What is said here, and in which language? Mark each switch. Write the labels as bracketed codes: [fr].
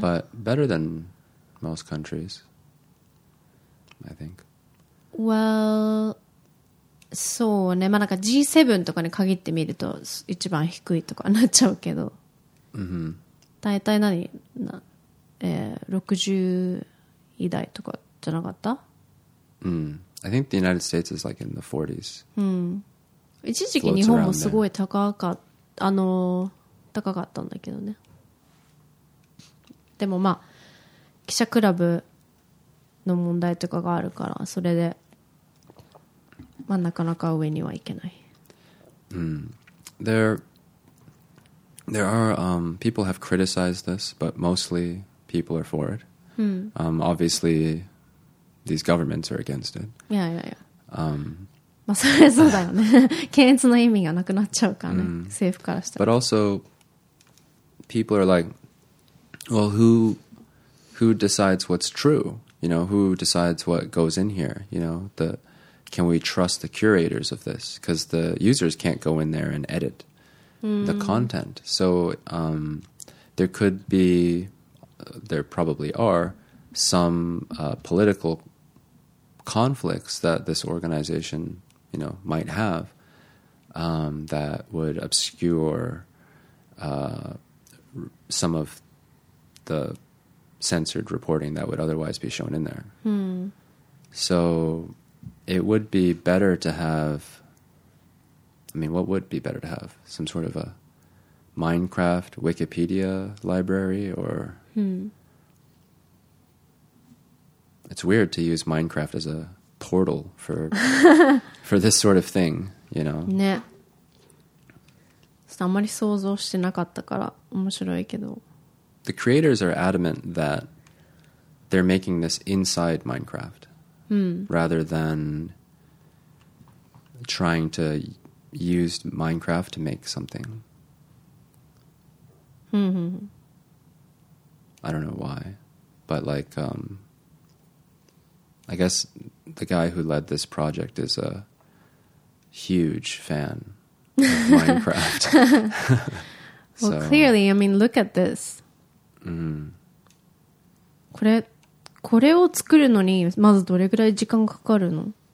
[en] But better than most countries, I think. Well, [ja] そうね。まあなんか G7 とかに限ってみると一番低いとかなっちゃうけど。大体何な、60位台とかじゃなかった？ [en] I think the United States is like in the 40s. [ja] 一時期日本もすごい高かった、高かったんだけどね。でもまあ、記者クラブの問題とかがあるから、それで。まあ、なかなか上にはいけない。 [en] There are people have criticized this, but mostly people are for it. Obviously, these governments are against it. [ja] まあそれそうだよね。検閲の意味がなくなっちゃうからね。政府からしたら。 [en] But also, people are like, well, who decides what's true? You know, who decides what goes in here? You know, the can we trust the curators of this? Because the users can't go in there and edit the content. So there could be, there probably are, some political conflicts that this organization, you know, might have that would obscure some of the censored reporting that would otherwise be shown in there. So it would be better to have, I mean, what would be better to have? Some sort of a Minecraft Wikipedia library or... It's weird to use Minecraft as a portal for for this sort of thing, you know? [ja] ね。あまり想像してなかったから面白いけど。 [en] The creators are adamant that they're making this inside Minecraft rather than trying to use Minecraft to make something. I don't know why, but like, I guess the guy who led this project is a huge fan of Minecraft. So, well, clearly, I mean, look at this. [ja] これを作るのにまずどれぐらい時間かかるの?